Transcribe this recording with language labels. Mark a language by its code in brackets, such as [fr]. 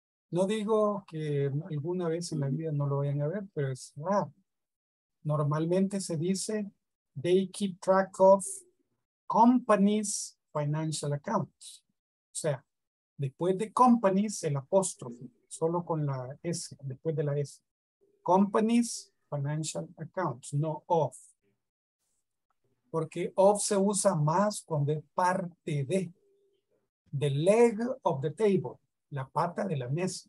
[es] No digo que alguna vez en la vida no lo vayan a ver, pero es raro. Normalmente se dice, [en] they keep track of companies financial accounts. [es] O sea, después de companies, el apóstrofe, solo con la S, después de la S. [en] Companies financial accounts, [es] no of. Porque of se usa más cuando es parte de. [en] The leg of the table, [es] la pata de la mesa.